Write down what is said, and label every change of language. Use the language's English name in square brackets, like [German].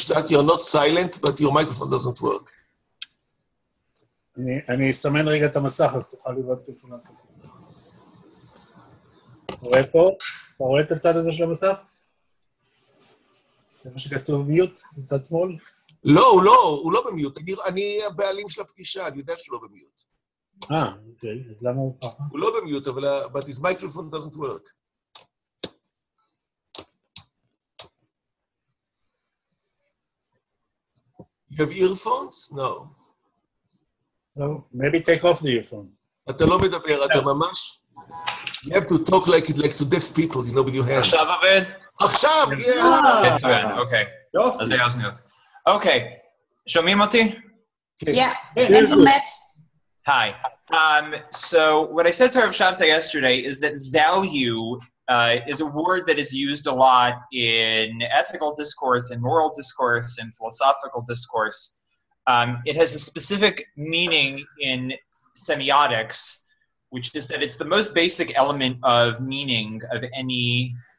[English] You're not silent, but your microphone doesn't work. [Hebrew] אני אסמן רגע את המסך, אז תוכל לראות איפה נעשה. אתה רואה פה? אתה רואה את הצד הזה של המסך? זה מה שכתוב מיוט, בצד שמאל? לא, הוא לא, הוא לא במיוט. אני הבעלים של הפגישה, אני יודע שהוא לא במיוט. אוקיי, אז למה הוא פחה? הוא לא במיוט, אבל [English] but his microphone doesn't work. You have earphones? No. No, maybe take off the earphones. [Hebrew] אתה לא מדבר, אתה ממש... [English] You have to talk like to deaf people, you know, with your hands. [Hebrew] עכשיו עובד? עכשיו, [English] yes! It's good, okay. [Hebrew] אז היה עוד. [English] Okay, [Hebrew] שומעים אותי? [English] Yeah, and you met. Hi. So what I said to Rav Shabtai yesterday is that value is a word that is used a lot in ethical discourse and moral discourse and philosophical discourse. It has a specific meaning in semiotics, which is that it's the most basic element of meaning of anything.